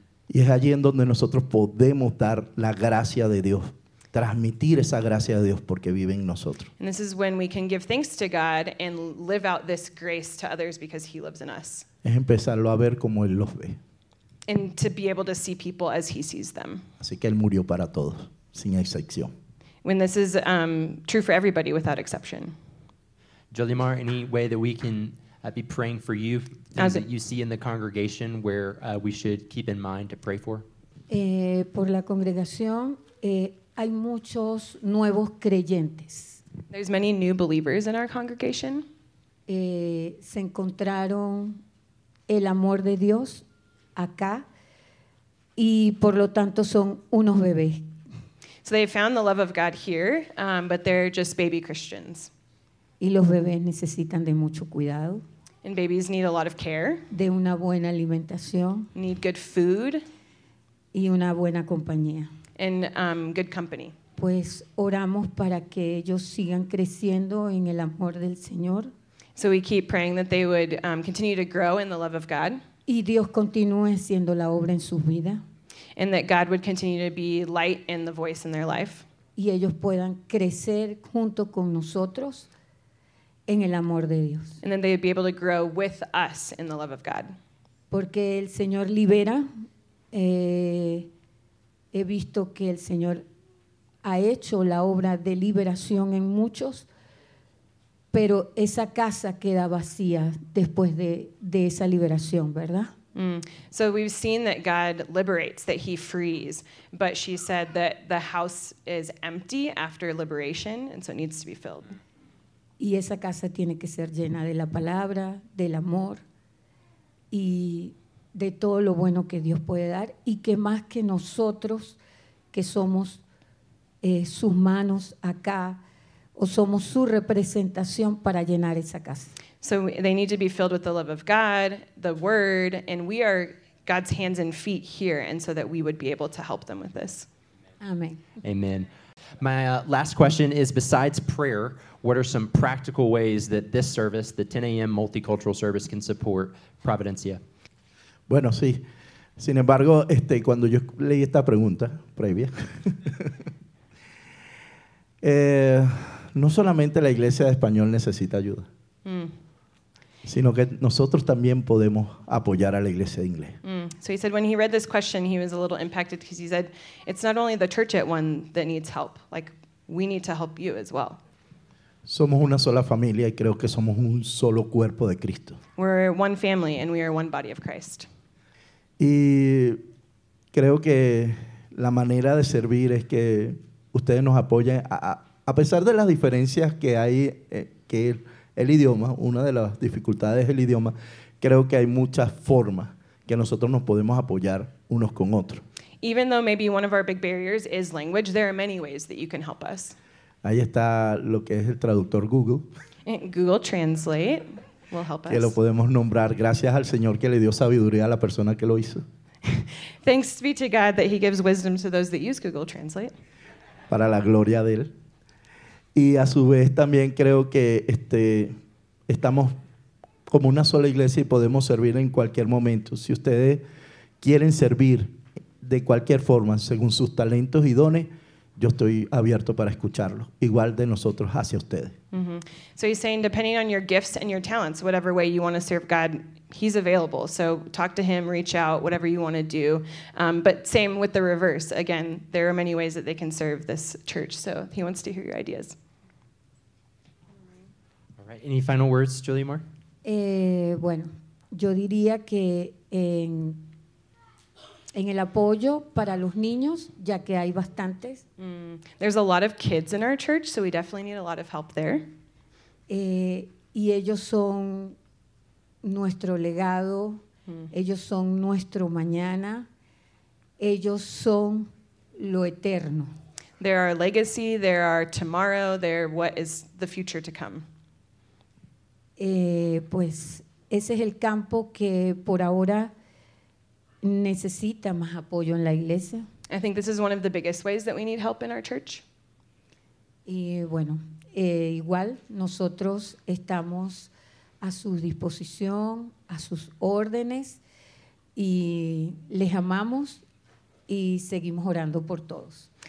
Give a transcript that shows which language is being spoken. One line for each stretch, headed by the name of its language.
Spanish: Y es allí en donde nosotros podemos dar la gracia de Dios, transmitir esa gracia de Dios porque vive en nosotros.
English: And this is when we can give thanks to God and live out this grace to others because he lives in us.
Spanish: Es empezarlo a ver como él los ve.
English: And to be able to see people as he sees them.
Spanish: Así que él murió para todos, sin excepción.
English: When this is true for everybody without exception. Jolimar, any way that we can be praying for you, things that you see in the congregation where we should keep in mind to pray for?
Spanish: Por la congregación, hay muchos nuevos creyentes.
English: There's many new believers in our congregation.
Spanish: Se encontraron el amor de Dios acá, y por lo tanto son unos bebés.
English: So they found the love of God here, but they're just baby Christians.
Spanish: Y los bebés necesitan de mucho cuidado.
English: And babies need a lot of care.
Spanish: De una buena alimentación.
English: Need good food.
Spanish: Y una buena compañía.
English: And good company.
Spanish: Pues oramos para que ellos sigan creciendo en el amor del Señor.
English: So we keep praying that they would continue to grow in the love of God.
Spanish: Y Dios continúe haciendo la obra en sus vidas.
English: And that God would continue to be light in the voice in their life.
Spanish: Y ellos puedan crecer junto con nosotros en el amor de Dios.
English: And then they would be able to grow with us in the love of God.
Spanish: Porque el Señor libera. He visto que el Señor ha hecho la obra de liberación en muchos, pero esa casa queda vacía después de esa liberación, ¿verdad? Mm.
English: So we've seen that God liberates, that he frees, but she said that the house is empty after liberation, and so it needs to be filled.
Spanish: Y esa casa tiene que ser llena de la palabra, del amor, y de todo lo bueno que Dios puede dar, y que más que nosotros, que somos sus manos acá, o somos su representación para llenar esa casa.
English: So they need to be filled with the love of God, the word, and we are God's hands and feet here, and so that we would be able to help them with this. Amen. Amen. My last question is, besides prayer, what are some practical ways that this service, the 10 a.m. multicultural service, can support Providencia?
Spanish: Bueno, sí. Sin embargo, cuando yo leí esta pregunta previa, no solamente la iglesia de español necesita ayuda, sino que nosotros también podemos apoyar a la iglesia de inglés. Mm.
English: So he said when he read this question, he was a little impacted because he said, it's not only the church at one that needs help, like we need to help you as well.
Spanish: Somos una sola familia y creo que somos un solo cuerpo de Cristo.
English: We're one family and we are one body of Christ.
Spanish: Y creo que la manera de servir es que ustedes nos apoyen. A pesar de las diferencias que hay, que el idioma, una de las dificultades es el idioma, creo que hay muchas formas que nosotros nos podemos apoyar unos con otros.
English: Even though maybe one of our big barriers is language, there are many ways that you can help us.
Spanish: Ahí está lo que es el traductor Google.
English: Google Translate. Will help us.
Spanish: Que lo podemos nombrar gracias al Señor que le dio sabiduría a la persona que lo hizo.
English: Thanks be to God that he gives wisdom to those that use Google Translate.
Spanish: Para la gloria de él. Y a su vez también creo que estamos como una sola iglesia y podemos servir en cualquier momento. Si ustedes quieren servir de cualquier forma, según sus talentos y dones, yo estoy abierto para escucharlo, igual de nosotros hacia ustedes. Mm-hmm.
English: So he's saying, depending on your gifts and your talents, whatever way you want to serve God, he's available. So talk to him, reach out, whatever you want to do. But same with the reverse. Again, there are many ways that they can serve this church. So he wants to hear your ideas. All right. Any final words, Julia Moore?
Spanish: Bueno, yo diría que en el apoyo para los niños, ya que hay bastantes. Mm.
English: There's a lot of kids in our church, so we definitely need a lot of help there.
Spanish: Y ellos son nuestro legado, ellos son nuestro mañana, ellos son lo eterno.
English: They're our legacy, they're our tomorrow, they're what is the future to come.
Spanish: Pues ese es el campo que por ahora necesita más apoyo en la iglesia.
English: I think this is one of the biggest ways that we need help in our church.
Spanish: Y bueno, igual nosotros estamos a su disposición, a sus órdenes, y les amamos y seguimos orando por todos.